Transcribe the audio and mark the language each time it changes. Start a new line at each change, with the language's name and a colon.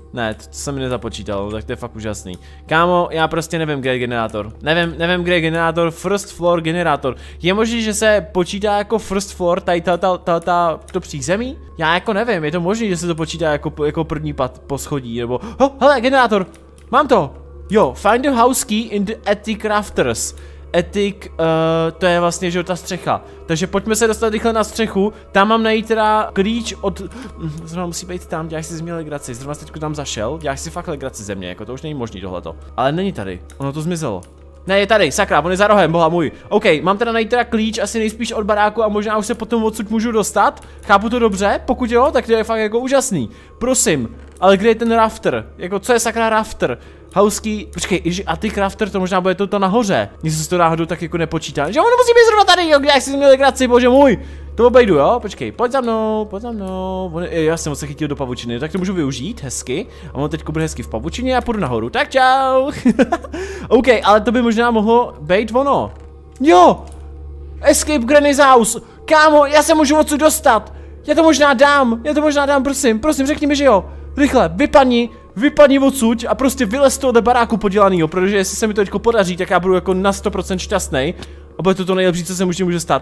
Czech: Ne, to se mi nezapočítalo, tak to je fakt úžasný. Kámo, já prostě nevím, kde je generátor. Nevím, kde je generátor,
English: first floor
Czech: generátor. Je možný, že se počítá jako first floor, tady ta to přízemí? Já jako nevím, je to možný, že se to počítá jako první pat poschodí, nebo... Ho, hele, generátor, mám to! Jo,
English: find the house key in the attic rafters.
Czech: Attic, to je vlastně, že ta střecha. Takže pojďme se dostat rychle na střechu. Tam mám najít teda klíč od... Zrovna musí být tam, děláš si z mě legraci. Zrovna teďku tam zašel, děláš si fakt legraci ze mě, jako to už není možný tohleto. Ale není tady, ono to zmizelo. Ne, je tady, sakra, on je za rohem, boha můj. OK, mám teda najít teda klíč, asi nejspíš od baráku a možná už se potom odsud můžu dostat. Chápu to dobře, pokud jo, tak to je fakt jako úžasný. Prosím, ale kde je ten rafter? Jako, co je sakra rafter? Housky, počkej, a ty crafter, to možná bude to nahoře. Nic se to náhodou tak jako nepočítá. Že ono musí být zrovna tady, jo, jak si měl legraci, bože můj. To obejdu, jo, počkej, pojď za mnou. Já jsem se chytil do pavučiny, tak to můžu využít hezky. A on teď bude hezky v pavučině a půjdu nahoru. Tak čau. OK, ale to by možná mohlo být ono. Jo,
English: escape Granny's house.
Czech: Kámo, já se můžu odsud dostat. Já to možná dám, prosím, řekni mi, že jo. Rychle, vypadni odsud a prostě vylez z toho baráku podělanýho, protože jestli se mi to teďko podaří, tak já budu jako na 100% šťastný. A bude to nejlepší, co se může stát.